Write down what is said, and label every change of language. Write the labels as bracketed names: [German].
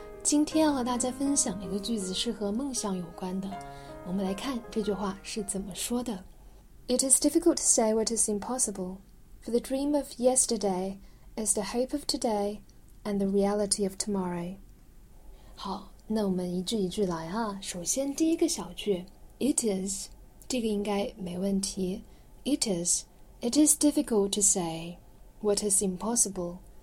[Chinese] 今天要和大家分享一个句子是和梦想有关的。我们来看这句话是怎么说的。 [English] It is difficult to say what is impossible, for the dream of yesterday is the hope of today and the reality of tomorrow. [Chinese] 好，那我们一句一句来啊。首先第一个小句 , [English] It is, [Chinese] 这个应该没问题。 [English] It is difficult to say what is impossible.